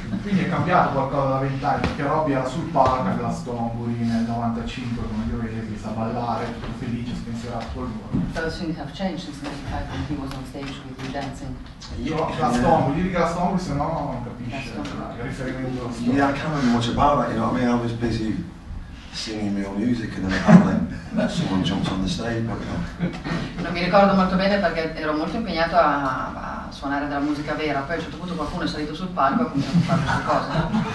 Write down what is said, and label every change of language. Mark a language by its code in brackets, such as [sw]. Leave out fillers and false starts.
[it] Quindi è cambiato qualcosa da vent'anni, perché Robbie era sul palco a Glastonbury nel 95, come io vedo, si sa ballare, tutto felice, spensierato col volo. [en] Those things have changed since 95 when he was on stage with you dancing. [it] Glastonbury, di Glastonbury, se no non capisce il riferimento. [en] Yeah, I can't remember much about that, you know what I mean? I was busy singing real music and then having someone jumps on the stage, but you know. [it] Non mi ricordo molto bene perché ero molto impegnato a suonare della musica vera, poi a un certo punto qualcuno è salito sul palco e ha cominciato a fare qualcosa.